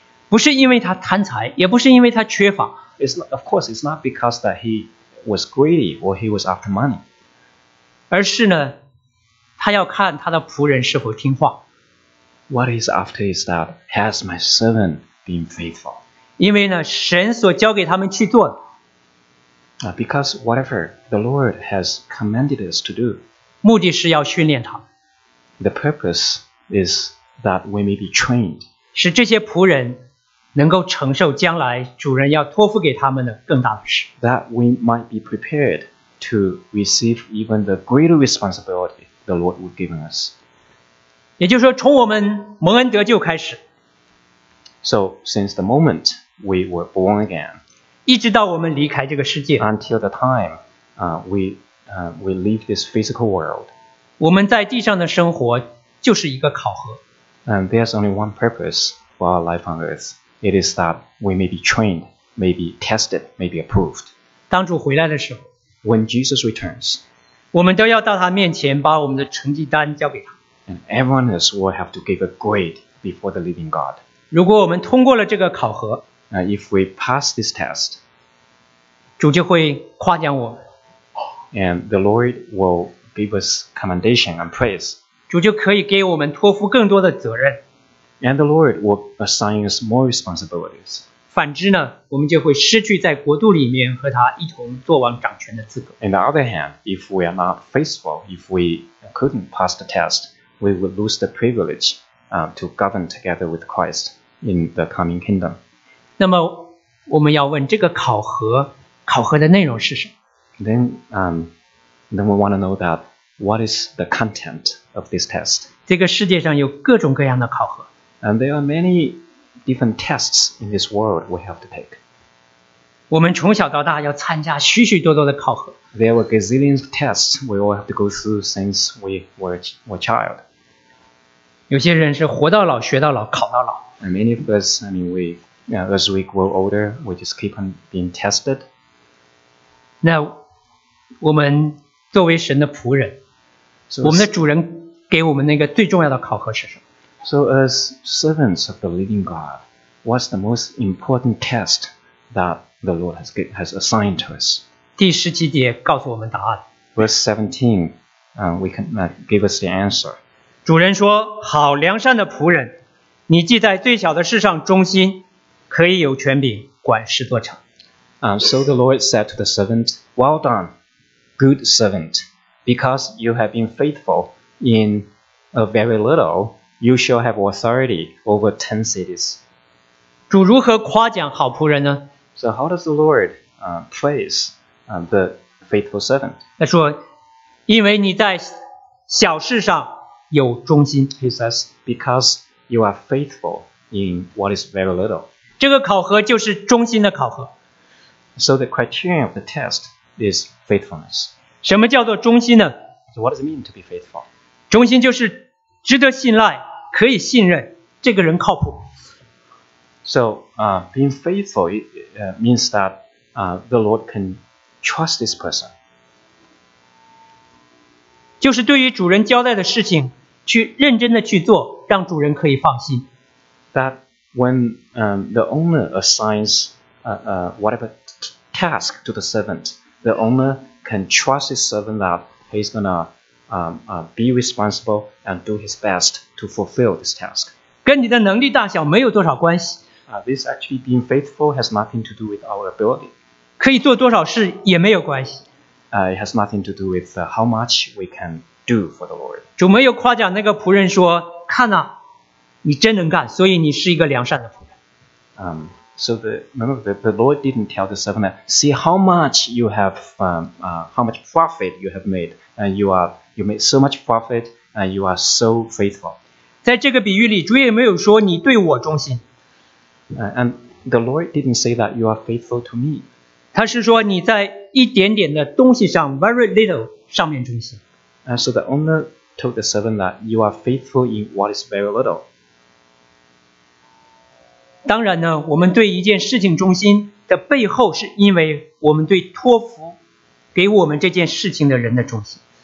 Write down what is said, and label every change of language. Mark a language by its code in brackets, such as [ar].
[zh] 不是因为他贪财，也不是因为他缺乏。 [en] It's not because that he was greedy or he was after money. [zh] 而是呢，他要看他的仆人是否听话。 [en] What he's after is that has my servant been faithful? [zh] 因为呢，神所交给他们去做的。 [en] Because whatever the Lord has commanded us to do. [zh] 目的是要训练他。 [en] The purpose is that we may be trained. [zh] 使这些仆人能够承受将来主人要托付给他们的更大的事。 [en] That we might be prepared to receive even the greater responsibility the Lord would give us. [zh] 也就是说，从我们蒙恩得救开始。 [en] So, since the moment we were born again, [zh] 一直到我们离开这个世界 [en] until the time we leave this physical world, [zh] 我们在地上的生活就是一个考核。 [en] And there's only one purpose for our life on earth. It is that we may be trained, may be tested, may be approved. [zh] 当主回来的时候 [en] when Jesus returns, [zh] 我们都要到他面前把我们的成绩单交给他。 [en] And everyone else will have to give a grade before the living God. [zh] 如果我们通过了这个考核 [en] If we pass this test [zh] 主就会夸奖我 [en] And the Lord will give us commendation and praise [zh] 主就可以给我们托付更多的责任 [en] And the Lord will assign us more responsibilities [zh] 反之呢，我们就会失去在国度里面和他一同做王掌权的资格。 [en] On the other hand, if we are not faithful, if we couldn't pass the test, we would lose the privilege, to govern together with Christ in the coming kingdom. [zh] 那么我们要问这个考核，考核的内容是什么？ [en] Then we want to know that what is the content of this test? [zh] 这个世界上有各种各样的考核。 [en] And there are many different tests in this world we have to take. [zh] 我们从小到大要参加许许多多的考核。 [en] There were gazillions of tests we all have to go through since we were child. [zh] 有些人是活到老学到老考到老。 [en] And many of us, I mean, we, as we grow older, we just keep on being tested. [zh] 那我们作为神的仆人，我们的主人给我们那个最重要的考核是什么？ [en] So as servants of the living God, what's the most important test that the Lord has assigned to us? [zh] 第十七节告诉我们答案。 [en] Verse 17, we can give us the answer. [zh] 主人说，好良善的仆人。你既在最小的事上忠心，可以有权柄管事做成。 [en] So the Lord said to the servant, Well done, good servant, because you have been faithful in a very little, you shall have authority over 10 cities. [zh] 主如何夸奖好仆人呢？ [en] So how does the Lord praise the faithful servant? [zh] 他说，因为你在小事上有忠心。 [en] He says, becauseYou are faithful in what is very little. [zh] 这个考核就是忠心的考核。 [en] So the criterion of the test is faithfulness. [zh] 什么叫做忠心呢？ [en] So what does it mean to be faithful? [zh] 忠心就是值得信赖，可以信任，这个人靠谱。 [en] So being faithful means that the Lord can trust this person. [zh] 就是对于主人交代的事情去认真的去做，让主人可以放心。 [en] That when the owner assigns whatever task to the servant, the owner can trust his servant that he's gonna be responsible and do his best to fulfill this task. [zh] 跟你的能力大小没有多少关系。 [en] This actually being faithful has nothing to do with our ability. [zh] 可以做多少事也没有关系。 [en] It has nothing to do with how much we can do for the Lord. [zh] 主没有夸奖那个仆人说，看啊，你真能干，所以你是一个良善的仆人。 [en] So the Lord didn't tell the servant, see how much you have, how much profit you have made, and you made so much profit, and you are so faithful. [zh] 在这个比喻里，主也没有说你对我忠心。 [en] And the Lord didn't say that you are faithful to me. [zh] 他是说你在一点点的东西上 ， [en] very little [zh] 上面忠心。 [en] So the owner told the servant that you are faithful in what is very little. [zh] 当然呢，我们对一件事情忠心的背后，是因为我们对托付给我们这件事情的人的忠心。